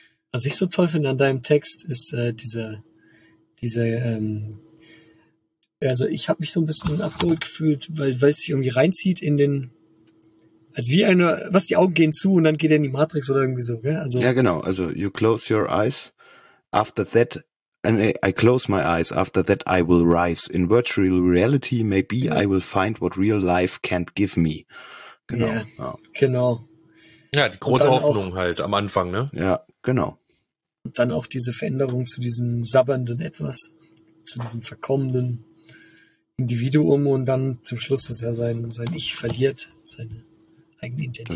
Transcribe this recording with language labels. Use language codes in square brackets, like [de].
[de] Was ich so toll finde an deinem Text ist ich habe mich so ein bisschen abgeholt gefühlt, weil es sich irgendwie reinzieht in den, also wie eine, was, die Augen gehen zu und dann geht er in die Matrix oder irgendwie so, gell? Also, ja, genau, also [en] you close your eyes, after that and I close my eyes, after that I will rise, in virtual reality maybe, [de] ja. [en] I will find what real life can't give me, [de] genau, yeah, ja. Genau. Ja, die große Hoffnung auch, halt am Anfang, ne? Ja, genau. Und dann auch diese Veränderung zu diesem sabbernden Etwas, zu diesem verkommenden Individuum und dann zum Schluss, dass er sein Ich verliert, seine eigene Identität.